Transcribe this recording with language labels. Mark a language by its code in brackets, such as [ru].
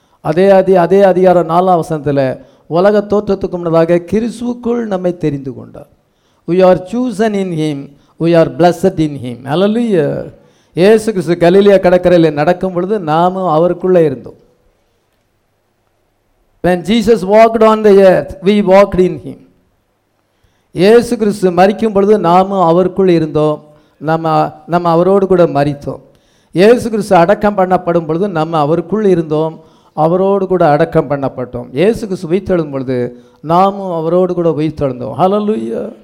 [ta] அதே 4:4 உலக தோற்றத்துக்கு முன்னதாக கிறிஸ்துவுக்குள் நம்மை தெரிந்து கொண்டார். [en] We are chosen in him, we are blessed in him. Hallelujah. [ta] இயேசு கிறிஸ்து கலிலேயா கடற்கரையில் நடக்கும் பொழுது நாமும் அவருக்குள்ளே இருந்தோம். [en] When Jesus walked on the earth, we walked in him. [ta] இயேசு கிறிஸ்து மரிக்கும் பொழுது நாமும் அவருக்குள் இருந்தோம், நம்ம அவரோடு கூட மரித்தோம். இயேசு கிறிஸ்து அடக்கம் பண்ணப்படும் பொழுது நம்ம அவருக்குள் இருந்தோம், அவரோடு கூட அடக்கம் பண்ணப்பட்டோம். இயேசு கிறிஸ்து உயிர்த்தெழும் பொழுது நாமும் அவரோடு கூட உயிர்த்தெழுந்தோம். ஹல்லேலூயா.